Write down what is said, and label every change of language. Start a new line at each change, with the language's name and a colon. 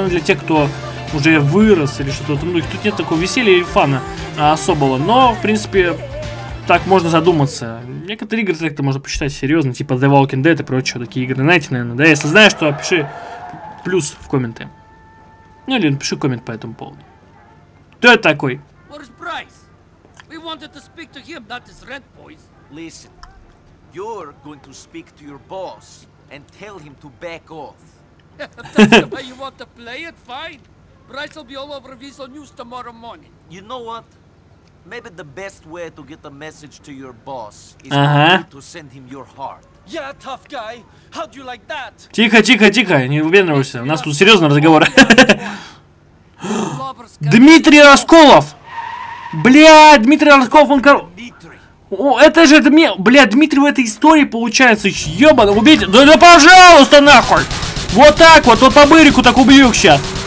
Russian: Но она для тех, кто уже вырос или что-то в этом духе. Тут нет такого веселья или фана особого. Но, в принципе, так можно задуматься. Некоторые игры так-то можно посчитать серьезно, типа The Walking Dead и прочие такие игры. Знаете, наверное, да? Если знаешь, то пиши плюс в комменты. Ну или напиши коммент по этому поводу. Кто это такой?
English: Where is Bryce? We wanted to speak to him, not his red boys. Listen, you're going to speak to your boss and tell him to back off. That's the way you want to play it, fine. Bryce will be all over Visual News tomorrow morning. You know what? Maybe the best way to get a message to your boss is to send him your heart. Yeah, tough guy. How do you like that?
Russian: Тихо, тихо, тихо, не выбендривайся. У нас тут серьезный разговор. Дмитрий Расколов! Бля, Дмитрий Расколов, он О, это же Бля, Дмитрий в этой истории получается. Ебаный, убейте. Да пожалуйста, нахуй! Вот так вот, вот по бырику так убью их сейчас.